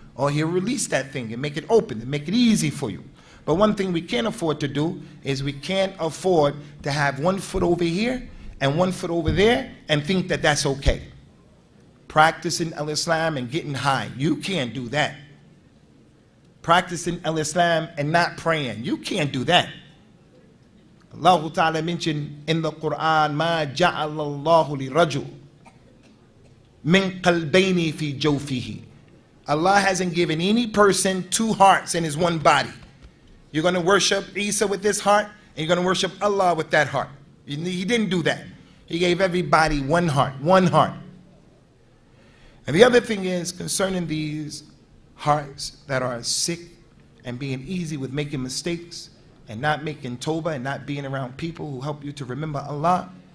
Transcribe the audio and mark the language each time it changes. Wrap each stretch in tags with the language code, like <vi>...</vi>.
<en>Or he'll release that thing and make it open and make it easy for you. But one thing we can't afford to do is we can't afford to have 1 foot over here and 1 foot over there and think that that's okay. Practicing al-Islam and getting high, you can't do that. Practicing al-Islam and not praying, you can't do that. Allah Ta'ala mentioned in the Quran,</en> <ar>مَا جَعَلَ اللَّهُ لِرَجُلٍ مِنْ قَلْبَيْنِ فِي جَوْفِهِ.</ar> <en>Allah hasn't given any person 2 hearts in his one body. You're going to worship Isa with this heart, and you're going to worship Allah with that heart. He didn't do that. He gave everybody one heart. And the other thing is, concerning these hearts that are sick and being easy with making mistakes, and not making tawbah and not being around people who help you to remember Allah.</en>